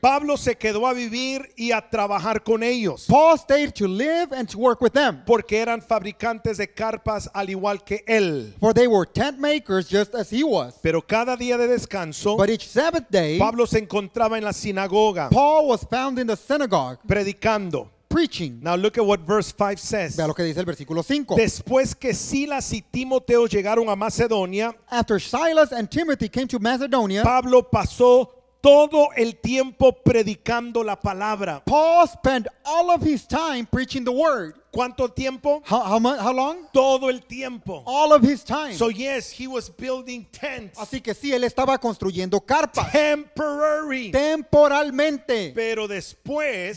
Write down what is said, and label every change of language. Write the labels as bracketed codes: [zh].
[es] Pablo se quedó a vivir y a trabajar con ellos. [en] Paul stayed to live and to work with them. [es] Porque eran fabricantes de carpas al igual que él. [en] For they were tent makers just as he was. [es] Pero cada día de descanso, [en] but each Sabbath day, [es] Pablo se encontraba en la sinagoga. [en] Paul was found in the synagogue. [es] Predicando. [en] Preaching. Now look at what verse 5 says. [es] Vea lo que dice el versículo 5. Después que Silas y Timoteo llegaron a Macedonia, [en] after Silas and Timothy came to Macedonia, [es] Pablo pasó todo el tiempo predicando la palabra. [en] Paul spent all of his time preaching the word. [es] ¿Cuánto tiempo? [en] How long? [es] Todo el tiempo. [en] All of his time. So yes, he was building tents. [es] Así que sí, él estaba construyendo carpas. [en] Temporary. [es] Temporalmente. Pero después,